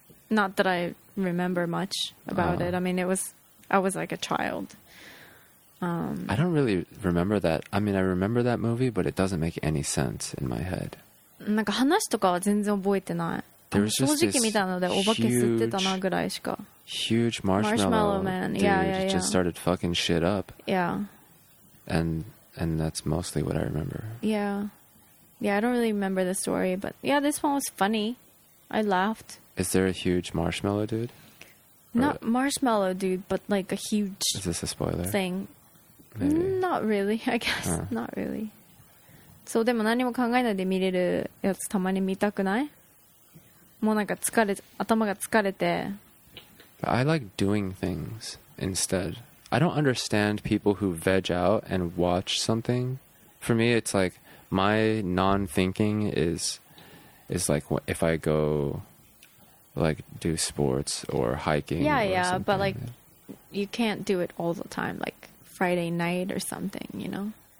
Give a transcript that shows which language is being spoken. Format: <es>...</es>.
<en>Not that I remember much about、it. I mean, I was like a child. I don't really remember that. I mean, I remember that movie, but it doesn't make any sense in my head.</en> <ja>なんか話とかは全然覚えてない。</ja> <en>There was just this huge marshmallow man. Dude, yeah, yeah, yeah. Just started fucking shit up. Yeah. And that's mostly what I remember. Yeah. Yeah, I don't really remember the story, but yeah, this one was funny. I laughed. Is there a huge marshmallow dude? Not marshmallow dude, but like a huge thing. Is this a spoiler? Thing. Maybe. Not really, I guess. Huh. Not really.</en> <ja>So, でも何も考えないで見れるやつたまに見たくない? もうなんか疲れ、頭が疲れて。</ja> <en>I like doing things instead. I don't understand people who veg out and watch something. For me, it's like my non-thinking is like if I go like do sports or hiking. Yeah, or yeah, something. But like you can't do it all the time, like Friday night or something, you know?</en>